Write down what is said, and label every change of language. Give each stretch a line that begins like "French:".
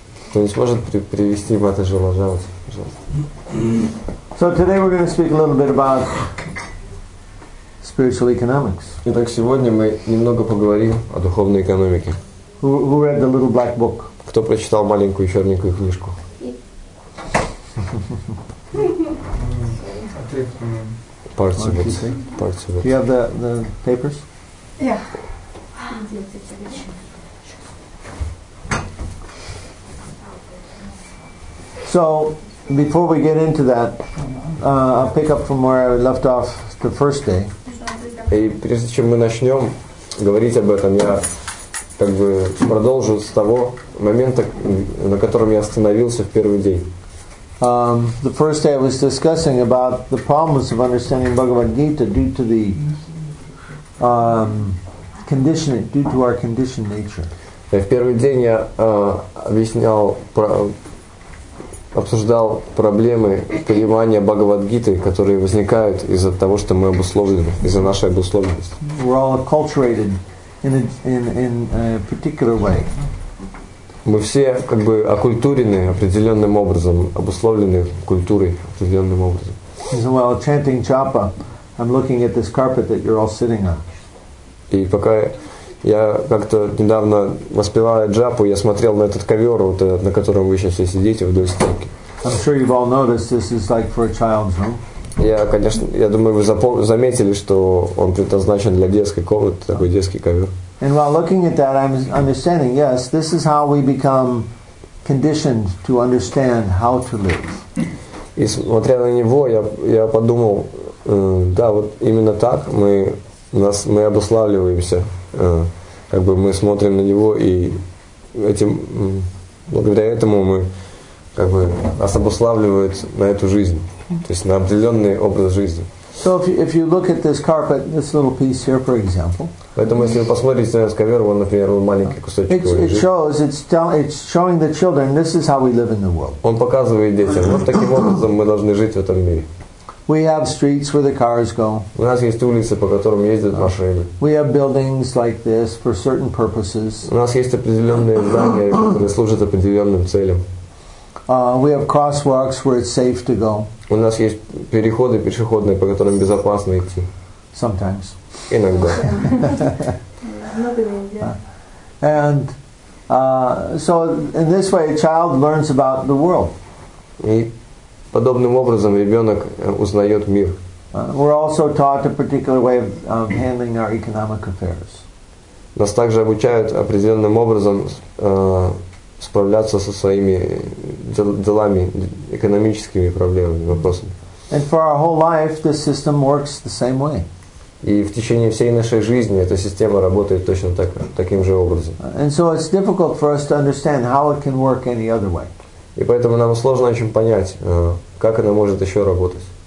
Russian: Кто не сможет привести Матаджи Ладжавати, пожалуйста.
English: So today we're going to speak a little bit about spiritual economics.
Russian: Итак, сегодня мы немного поговорим о духовной экономике.
English: Who read the little black book?
Russian: Кто прочитал маленькую черненькую книжку?
English: Parts of it. Parts of it. Do you have the papers? Yeah. So, before we get into that, I'll pick up from where I left off the first day.
Russian: И прежде чем мы начнем говорить об этом, я как бы продолжу с того момента, на котором я остановился в первый день.
English: The first day I was discussing about the problems of understanding Bhagavad Gita due to the conditioning, due to our conditioned nature.
Russian: В первый день я объяснял, обсуждал проблемы понимания Бхагавад Гиты, которые возникают из-за того, что мы обусловлены, из-за нашей обусловленности.
English: We're all acculturated in a particular way.
Russian: Мы все как бы оккультурены определенным образом, обусловлены культурой определенным образом.
English: While chanting japa, I'm looking at this carpet that you're all sitting on.
Russian: И пока я как-то недавно воспевая джапу, я смотрел на этот ковер, вот этот, на котором вы сейчас все сидите вдоль стенки.
English: I'm sure you've all noticed this is like for a child's room.
Russian: Я, конечно, я думаю, вы заметили, что он предназначен для детской комнаты, такой детский ковер.
English: And while looking at that, I'm understanding, yes, this is how we become conditioned to understand how to live.
Russian: И смотря на него, я подумал, да, вот именно так мы обуславливаемся. Как бы мы смотрим на него, и этим, благодаря этому мы как бы нас обуславливают на эту жизнь, то есть на определенный образ жизни.
English: So if you look at this carpet, this little piece here, for example.
Russian: Поэтому если вы посмотрите на этот ковер, вон, например, вот маленький кусочек.
English: It's showing the children this is how we live in the world.
Russian: Он показывает детям, вот таким образом мы должны жить в этом мире.
English: We have streets where the cars go.
Russian: У нас есть улицы, по которым ездят машины.
English: We have buildings like this for certain purposes.
Russian: У нас есть определенные здания, которые служат определенным целям.
English: We have crosswalks where it's safe to go.
Russian: У нас есть переходы пешеходные, по которым безопасно идти.
English: Sometimes.
Russian: Иногда.
English: And so in this way, a child learns about the world.
Russian: И подобным образом ребенок узнает мир.
English: We're also taught a particular way of handling our economic affairs.
Russian: Нас также обучают определенным образом справляться со своими делами, экономическими проблемами, вопросами.
English: And for our whole life, this system works the same way.
Russian: И в течение всей нашей жизни эта система работает точно так, таким же образом.
English: And so it's difficult for us to understand how it can work any other way.
Russian: И поэтому нам сложно очень понять, как она может еще работать.